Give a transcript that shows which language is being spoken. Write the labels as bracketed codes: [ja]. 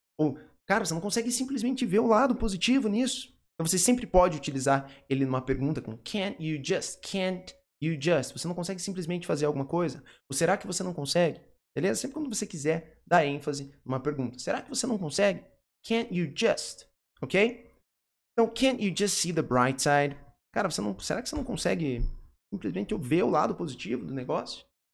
[pt] Ou, cara, você não consegue simplesmente ver o lado positivo nisso? Então, você sempre pode utilizar ele numa pergunta com [en] can't you just? [pt] Você não consegue simplesmente fazer alguma coisa? Ou será que você não consegue? Beleza? Sempre quando você quiser dar ênfase numa pergunta. Será que você não consegue? [en] Can't you just? [pt] Ok? [en] Então, can't you just see the bright side? [pt] Cara, será que você não consegue simplesmente ver o lado positivo do negócio?